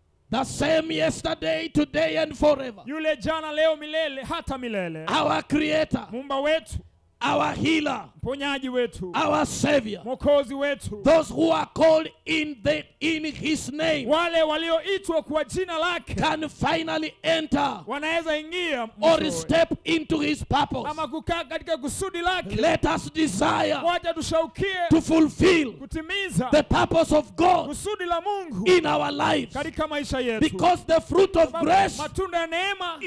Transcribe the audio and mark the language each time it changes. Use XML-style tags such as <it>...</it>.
<en>The same yesterday, today and forever.</en> <sw>Yule jana leo milele, hata milele.</sw> <en>Our creator.</en> <sw>Mumba wetu.</sw> <en>Our healer.</en> <sw>Mponyaji wetu.</sw> <en>Our savior.</en> <sw>Mwokozi wetu.</sw> <en>Those who are called in his name.</en> <sw>Wale walioitwa kwa jina lake.</sw> <en>Can finally enter.</en> <sw>Wanaweza ingia.</sw> <en>Or step into his purpose.</en> <sw>Ama kukaa katika kusudi lake.</sw> <en>Let us desire.</en> <sw>Wacha tushaukie.</sw> <en>To fulfill.</en> <sw>Kutimiza.</sw> <en>The purpose of God.</en> <sw>Kusudi la Mungu.</sw> <en>In our lives.</en> <sw>Katika maisha yetu.</sw> <en>Because the fruit of grace.</en> <sw>Matunda ya neema.</sw>